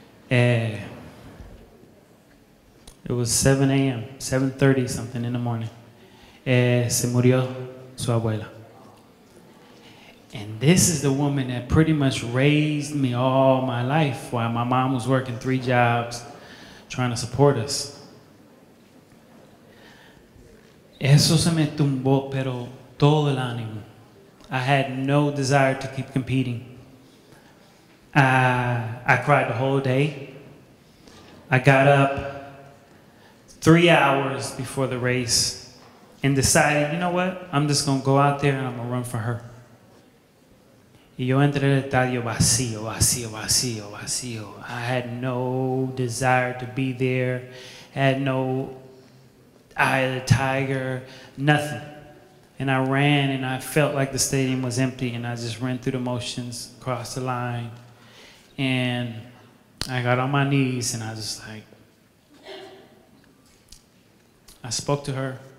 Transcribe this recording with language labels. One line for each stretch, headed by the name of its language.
English: It was 7 a.m., 7:30 something in the morning.
Spanish: Se murió su abuela.
English: And this is the woman that pretty much raised me all my life while my mom was working 3 jobs trying to support us.
Spanish: Eso se me tumbó, pero todo el ánimo.
English: I had no desire to keep competing. I cried the whole day. I got up 3 hours before the race and decided, you know what? I'm just going to go out there and I'm going to run for her.
Spanish: Y yo entré al estadio vacío, vacío, vacío, vacío.
English: I had no desire to be there. I had no eye of the tiger, nothing. And I ran and I felt like the stadium was empty and I just ran through the motions, crossed the line. And I got on my knees and I just like, I spoke to her.